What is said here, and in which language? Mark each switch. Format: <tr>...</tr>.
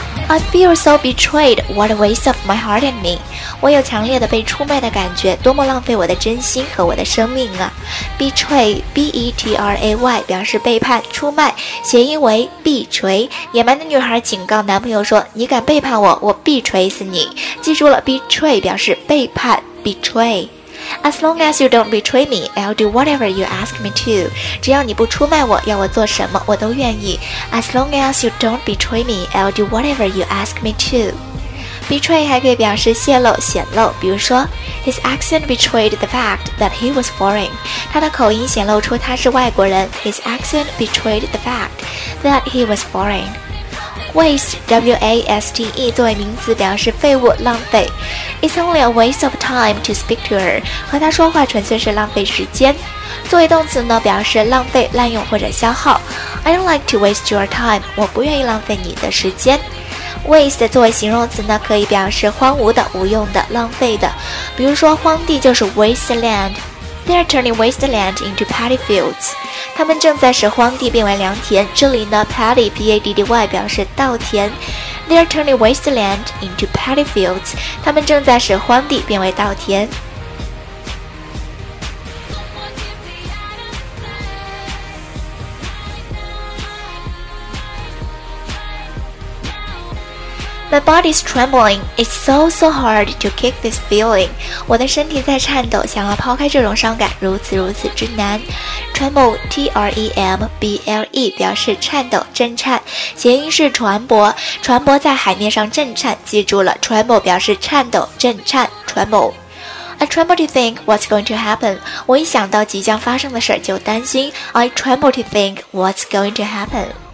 <en>I feel so betrayed. What a waste of my heart and me.</en> <zh>我有强烈的被出卖的感觉，多么浪费我的真心和我的生命啊。 Betray, B-E-T-R-A-Y, 表示背叛、出卖，谐音为必锤。野蛮的女孩警告男朋友说，你敢背叛我，我必锤死你。记住了 ,Betray 表示背叛 ,Betray。</zh> <en>As long as you don't betray me, I'll do whatever you ask me to.</en> <zh>只要你不出卖我，要我做什么我都愿意。</zh> <en>As long as you don't betray me, I'll do whatever you ask me to.</en> <zh>Betray 还可以表示泄露、显露，比如说</zh> <en>His accent betrayed the fact that he was foreign.</en> <zh>他的口音显露出他是外国人。</zh> <en>His accent betrayed the fact that he was foreign.</en> <zh>Waste, W-A-S-T-E, 作为名词表示废物、浪费。</zh> <en>It's only a waste of time to speak to her.</en> <zh>和她说话纯粹是浪费时间。作为动词呢，表示浪费、滥用或者消耗。</zh> <en>I don't like to waste your time.</en> <zh>我不愿意浪费你的时间。 Waste 作为形容词呢，可以表示荒芜的、无用的、浪费的。比如说荒地就是</zh> <en>wasteland. They are turning wasteland into paddy fields.</en> <zh>他们正在使荒地变为良田。这里呢</zh> <en>paddy, P-A-D-D-Y</en> <zh>表示稻田。</zh> <en>They are turning wasteland into paddy fields.</en> <zh>他们正在使荒地变为稻田。</zh> <en>My body's trembling. It's so, so hard to kick this feeling.</en> <zh>我的身体在颤抖，想要抛开这种伤感如此如此之难。 Tremble, T-R-E-M-B-L-E, 表示颤抖、震颤。谐音是船舶，船舶在海面上震颤。记住了 ,Tremble 表示颤抖、震颤。</zh> <en>Tremble. I tremble to think what's going to happen.</en> <zh>我一想到即将发生的事就担心。</zh> <en>I tremble to think what's going to happen.</en>